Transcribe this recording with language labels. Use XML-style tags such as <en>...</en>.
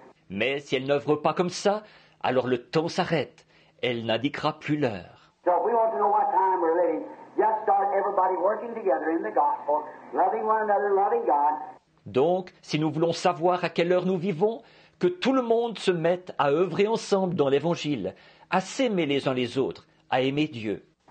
<fr>Mais si elle n'œuvre pas comme ça, alors le temps s'arrête. Elle n'indiquera plus l'heure.</fr> <en>So if we want to know what time we're living, just start everybody working together in the gospel, loving one another, loving God.</en> <fr>Donc, si nous voulons savoir à quelle heure nous vivons, que tout le monde se mette à œuvrer ensemble dans l'Évangile, à s'aimer les uns les autres, à aimer Dieu.</fr>